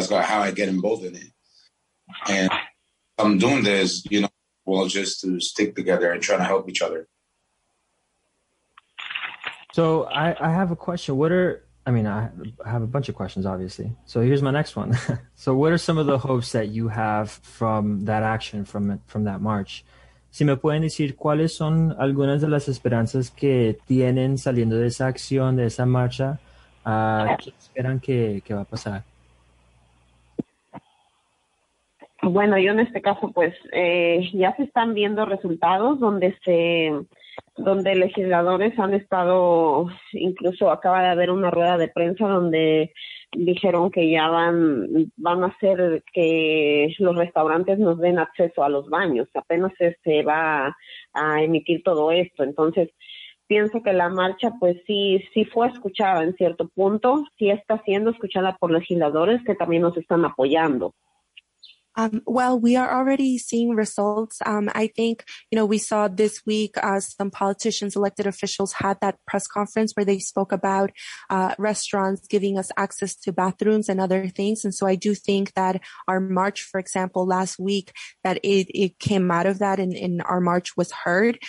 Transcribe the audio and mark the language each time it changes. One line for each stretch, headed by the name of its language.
English: That's how I get involved in it, and I'm doing this, Well, just to stick together and try to help each other. So I have a question. I have a bunch of questions, obviously. So here's my next one. So what are some of the hopes that you have from that action, from that march?
Spanish: Si me pueden decir cuáles son algunas de las esperanzas que tienen saliendo de esa acción, de esa marcha, ¿qué esperan que va a pasar? Bueno, yo en este caso, pues, ya se están viendo resultados donde legisladores han estado, incluso acaba de haber una rueda de prensa donde dijeron que ya van a hacer que los restaurantes nos den acceso a los baños. Apenas se va a emitir todo esto. Entonces, pienso que la marcha, pues sí, sí fue escuchada en cierto punto, sí está siendo escuchada por legisladores que también nos están apoyando.
English: Well, we are already seeing results. I think, you know, we saw this week some politicians, elected officials had that press conference where they spoke about restaurants giving us access to bathrooms and other things. And so I do think that our march, for example, last week, that it came out of that and our march was heard.